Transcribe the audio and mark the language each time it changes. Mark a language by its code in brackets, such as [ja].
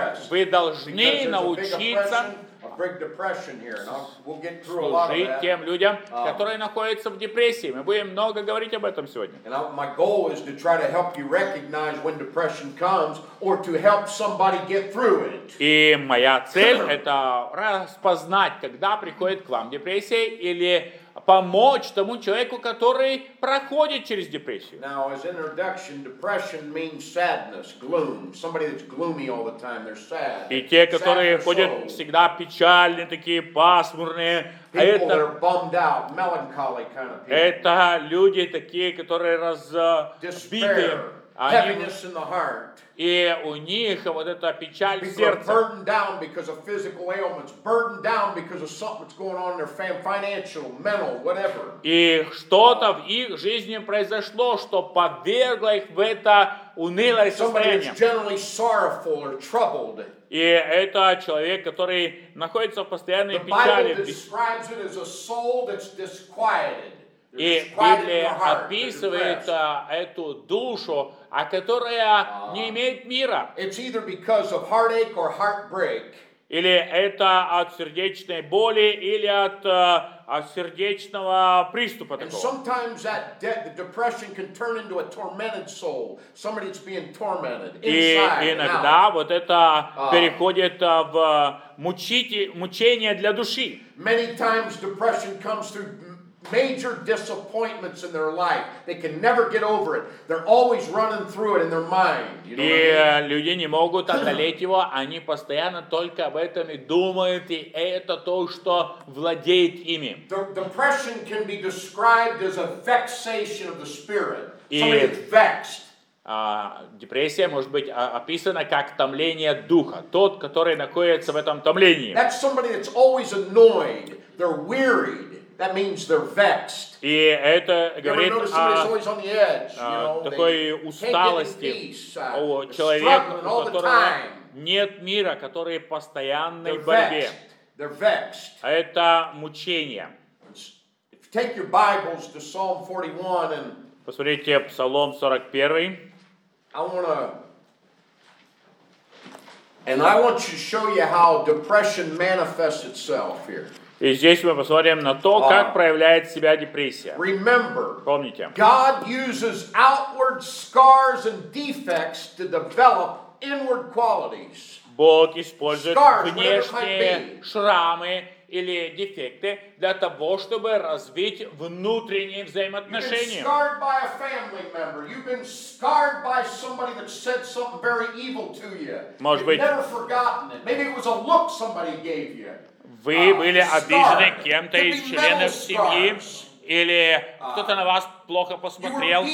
[ru] вы должны научиться служить тем людям, которые находятся в депрессии. Мы будем много говорить об этом сегодня. [en] And my goal is to try to help you recognize when depression comes or to help somebody get through it. [ru] И моя цель – это распознать, когда приходит к вам депрессия или помочь тому человеку, который проходит через депрессию. [en] Now, as an introduction, depression means sadness, gloom. Somebody that's gloomy all the time, they're sad. [ru] И те, которые ходят всегда печальные, такие пасмурные, [en] people that are bummed out, melancholy kind of people. [ru] Это люди такие, которые разбиты. [en] Heaviness in the heart. [ru] И у них вот эта печаль в сердце. [en] People are burdened down because of physical ailments, burdened down because of something that's going on in their financial, mental, whatever. [ru] И что-то в их жизни произошло, что повергло их в это унылое состояние. [en] Somebody is generally sorrowful or troubled. [ru] И это человек, который находится в постоянной печали. [en] The Bible describes it as a soul that's disquieted. [ru] И Библия описывает эту душу, а которая не имеет мира. [en] It's either because of heartache or heartbreak. [ru] Или это от сердечной боли, или от сердечного приступа такого. [en] And sometimes that the depression can turn into a tormented soul, somebody that's being tormented inside. [ru] И иногда вот это переходит в мучение для души. [en] Many times depression comes through major disappointments in their life. They can never get over it. They're always running through it in their mind. You know what I mean? [ru] Люди не могут одолеть его, они постоянно только об этом и думают, и это то, что владеет ими. [en] Depression can be described as a vexation of the spirit. Somebody is vexed. [ru] Депрессия может быть описана как томление духа. Тот, который находится в этом томлении. [en] That's somebody that's always annoyed. They're weary. That means they're vexed. [ru] И это говорит о такой усталости у человека, у которого нет мира, который в постоянной борьбе. [en] They're vexed. [ru] Это мучение. [en] If you take your Bibles to Psalm 41 and [ru] посмотрите Псалом 41. [en] I want you to show you how depression manifests itself here. [ru] И здесь мы посмотрим на то, как проявляет себя депрессия. [en] Remember, [ru] помните, [en] God uses outward scars and defects to develop inward qualities. [ru] Бог использует внешние шрамы или дефекты для того, чтобы развить внутренние взаимоотношения. [en] You've been scarred by a family member. You've been scarred by somebody that said something very evil to you. [ru] Может [en] You've never forgotten it. Maybe it was a look somebody gave you. [ru] Вы были обижены кем-то из членов семьи, или кто-то на вас плохо посмотрел,